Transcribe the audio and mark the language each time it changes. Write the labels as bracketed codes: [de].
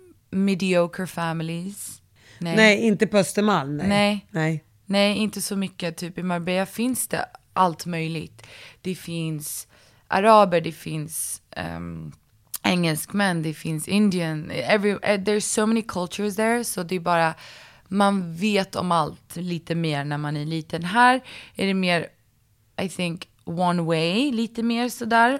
[en] Mediocre families. [sv] Nej, inte på Östermalm. Nej. Nej, inte så mycket. Typ i Marbella finns det allt möjligt. Det finns araber, det finns engelskmän, det finns indian. [en] There's so many cultures there. [sv] Så det är bara, man vet om allt lite mer när man är liten. Här är det mer, [en] I think, one way, [sv] lite mer sådär.